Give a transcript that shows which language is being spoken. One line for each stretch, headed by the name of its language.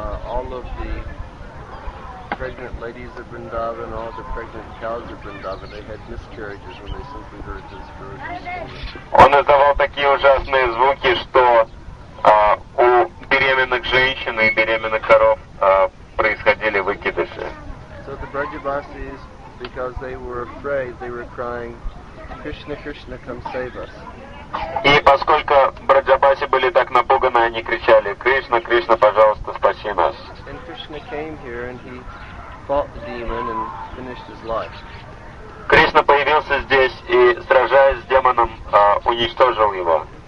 English: All of the pregnant ladies of Vrindavan, all the pregnant cows of Vrindavan, they had miscarriages when they simply heard this ferocious scream.
Russian: Он издавал такие ужасные звуки, что у беременных женщин и беременных коров происходили выкидыши.
English: So the Brajavasis, because they were afraid, they were crying, Krishna, Krishna, come save us.
Russian: И поскольку Браджабаси были так напуганы, они кричали: «Кришна, Кришна, пожалуйста, спаси нас!» Кришна появился здесь и, сражаясь с демоном, уничтожил его.